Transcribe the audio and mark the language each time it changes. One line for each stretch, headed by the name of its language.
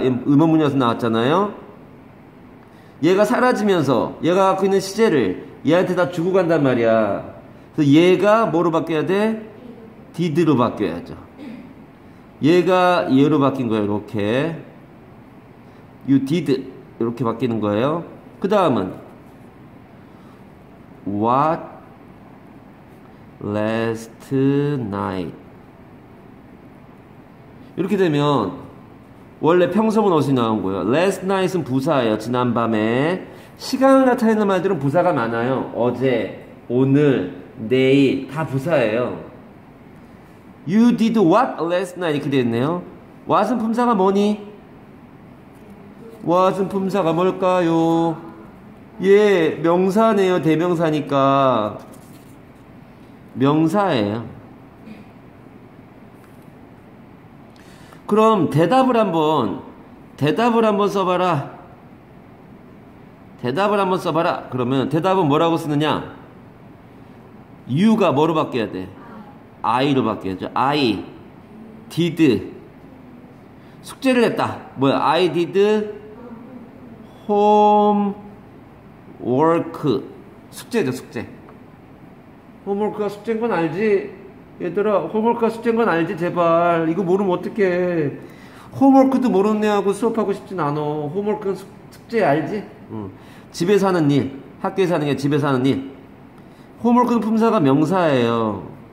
Korean: 의문문이어서 나왔잖아요. 얘가 사라지면서 얘가 갖고 있는 시제를 얘한테 다 주고 간단 말이야. 그래서 얘가 뭐로 바뀌어야 돼? did로 바뀌어야죠. 얘가 얘로 바뀐 거예요. 이렇게
English: you did
Korean: 이렇게 바뀌는 거예요. 그 다음은
English: What last night?
Korean: 이렇게 되면 원래 평소문 어순이 나온 거예요. Last night은 부사예요. 지난밤에 시간을 나타내는 말들은 부사가 많아요. 어제, 오늘, 내일 다 부사예요.
English: You did what last night?
Korean: 이렇게 되어 있네요. What은 품사가 뭐니? What은 품사가 뭘까요? 예, 명사네요. 대명사니까 명사예요. 그럼 대답을 한번 써봐라. 대답을 한번 써봐라. 그러면 대답은 뭐라고 쓰느냐? 유가 뭐로 바뀌어야 돼? I로 바뀌어야죠.
English: I did
Korean: 숙제를 했다. 뭐야?
English: I did home work.
Korean: 숙제죠, 숙제. 홈워크가 숙제인 건 알지? 얘들아, 홈워크가 숙제인 건 알지? 제발. 이거 모르면 어떡해. 홈워크도 모르는 애하고 수업하고 싶진 않아. 홈워크는 숙제 알지? 집에서 하는 일. 학교에서 하는 게 집에서 하는 일. 홈워크는 품사가 명사예요.